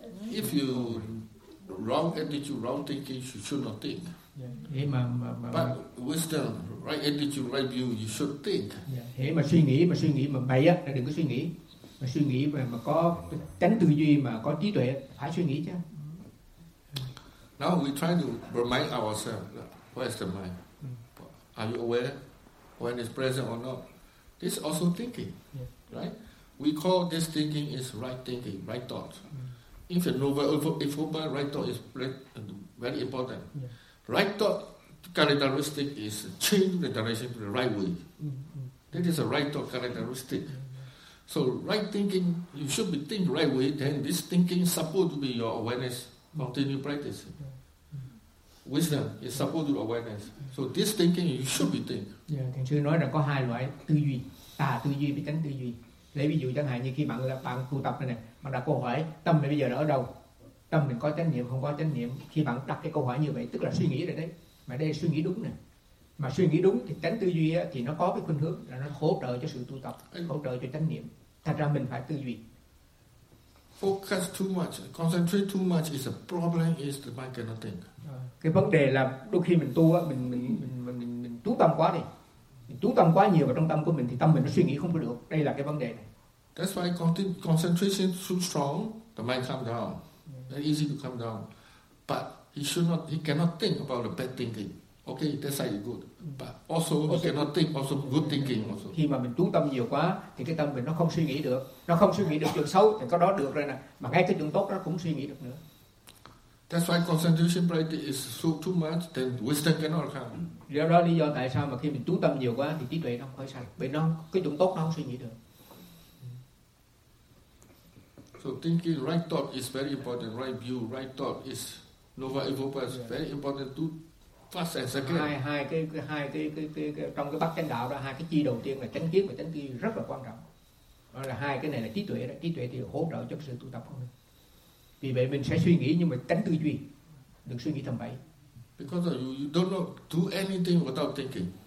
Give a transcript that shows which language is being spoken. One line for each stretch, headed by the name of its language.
English: If you wrong attitude, wrong thinking, you should not think. Yeah. But wisdom, right attitude, right view, you should think.
Vietnamese: Hễ mà suy nghĩ, mà bậy á, là đừng có suy nghĩ. Mà suy nghĩ mà có tránh tư duy, mà có trí tuệ, phải suy nghĩ chứ.
English: Now we try to remind ourselves, where is the mind? Are you aware when it's present or not? This also thinking, right? We call this thinking is right thinking, right thought. If you know, right thought is very important. Yeah. Right thought characteristic is change the direction to the right way. Mm-hmm. That is a right thought characteristic. Mm-hmm. So right thinking, you should be think right way, then this thinking is supposed to be your awareness, continue practice. Wisdom is supposed to be awareness. So this thinking, you should be think.
Vietnamese: Yeah, thầy sư nói là có hai loại tư duy, tà tư duy với chánh tư duy. Lấy ví dụ chẳng hạn như khi bạn tu tập này, bạn đặt câu hỏi tâm mình bây giờ nó ở đâu, tâm mình có chánh niệm không có chánh niệm, khi bạn đặt cái câu hỏi như vậy tức là suy nghĩ rồi đấy, mà đây suy nghĩ đúng này, mà suy nghĩ đúng thì tránh tư duy á, thì nó có cái khuynh hướng là nó hỗ trợ cho sự tu tập, hỗ trợ cho chánh niệm. Thành ra mình phải tư duy.
English: Focus too much, concentrate too much is a problem, is the mind cannot think.
Vietnamese: Cái vấn đề là đôi khi mình tu á, mình tu tâm quá đi. Mình tu tâm quá nhiều vào trong tâm của mình thì tâm mình nó suy nghĩ không có được. Đây là cái vấn đề này.
English: That's why concentration too strong, the mind calm down. That easy to calm down. But he should not, he cannot think about the bad thinking. Okay, that's why good. But also he cannot think also good thinking also.
Vietnamese: Khi mà mình chú tâm nhiều quá thì cái tâm mình nó không suy nghĩ được. Nó không suy nghĩ được chuyện xấu thì có đó được rồi nè. Mà ngay cái chuyện tốt nó cũng suy nghĩ được nữa.
English: That's why concentration practice is so too much, then wisdom cannot come.
Vietnamese: Do lý do tại sao mà khi mình chú tâm nhiều quá thì trí tuệ nó không khởi sanh. Bởi nó cái chuyện tốt nó không suy nghĩ được.
English: So thinking right thought is very important, right view, right thought is nova evoca, is very important to fast and second.
Vietnamese: Hai cái trong cái bát chánh đạo đó, hai cái chi đầu tiên là chánh kiến và chánh tư rất là quan trọng. Đó là hai cái này là trí tuệ đó, trí tuệ thì hỗ trợ cho sự tu tập không được. Vì vậy mình sẽ suy nghĩ nhưng mà tránh tư duy, đừng suy nghĩ thầm bậy.
English: Because you don't know do anything without thinking.